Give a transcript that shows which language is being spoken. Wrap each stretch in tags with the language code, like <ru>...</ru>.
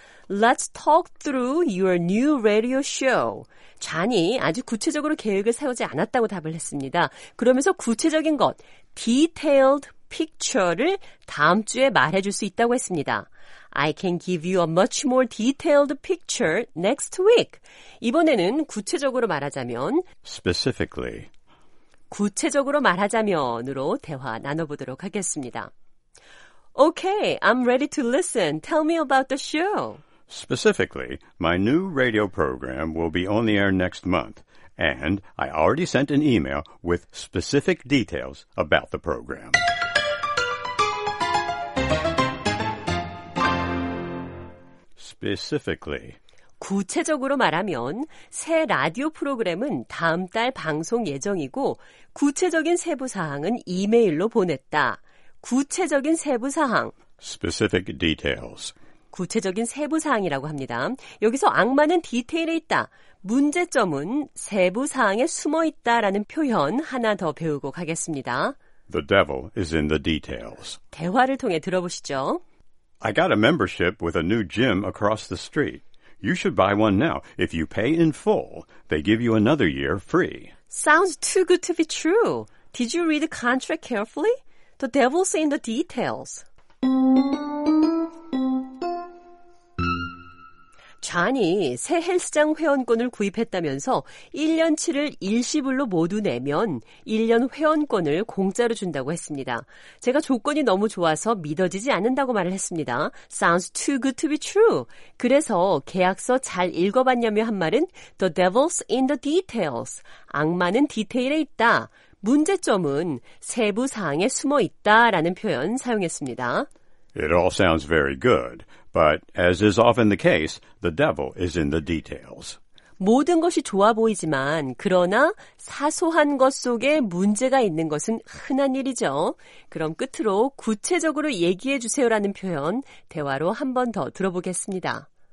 <en>Let's talk through your new radio show.</en> <ko>존이 아직 구체적으로 계획을 세우지 않았다고 답을 했습니다. 그러면서 구체적인 것,</ko> <en>detailed picture</en> <ko>를 다음 주에 말해줄 수 있다고 했습니다.</ko> <en>I can give you a much more detailed picture next week.</en> <ko>이번에는 구체적으로 말하자면</ko> <en>specifically</en> <ko>구체적으로 말하자면으로 대화 나눠보도록 하겠습니다.</ko> <en>Okay, I'm ready to listen. Tell me about the show. Specifically, my new radio program will be on the air next month, and I already sent an email with specific details about the program. Specifically,</en> <ko>구체적으로 말하면 새 라디오 프로그램은 다음 달 방송 예정이고 구체적인 세부사항은 이메일로 보냈다. 구체적인 세부사항</ko> <en>Specific details</en> <ko>구체적인 세부사항이라고 합니다. 여기서 악마는 디테일에 있다. 문제점은 세부사항에 숨어있다라는 표현 하나 더 배우고 가겠습니다.</ko> <en>The devil is in the details.</en> <ko>대화를 통해 들어보시죠.</ko> <en>I got a membership with a new gym across the street. You should buy one now. If you pay in full, they give you another year free. Sounds too good to be true. Did you read the contract carefully? The devil's in the details.</en> <ko>존이 새 헬스장 회원권을 구입했다면서 1년치를 일시불로 모두 내면 1년 회원권을 공짜로 준다고 했습니다. 제가 조건이 너무 좋아서 믿어지지 않는다고 말을 했습니다.</ko> <en>Sounds too good to be true.</en> <ko>그래서 계약서 잘 읽어봤냐며 한 말은</ko> <en>The devil's in the details.</en> <ko>악마는 디테일에 있다. 문제점은 세부사항에 숨어있다 라는 표현 사용했습니다.</ko> <en>It all sounds very good, but as is often the case, the devil is in the details.</en> <ko>모든 것이 좋아 보이지만, 그러나 사소한 것 속에 문제가 있는 것은 흔한 일이죠. 그럼 끝으로 구체적으로 얘기해 주세요라는 표현, 대화로 한 번 더 들어보겠습니다.</ko>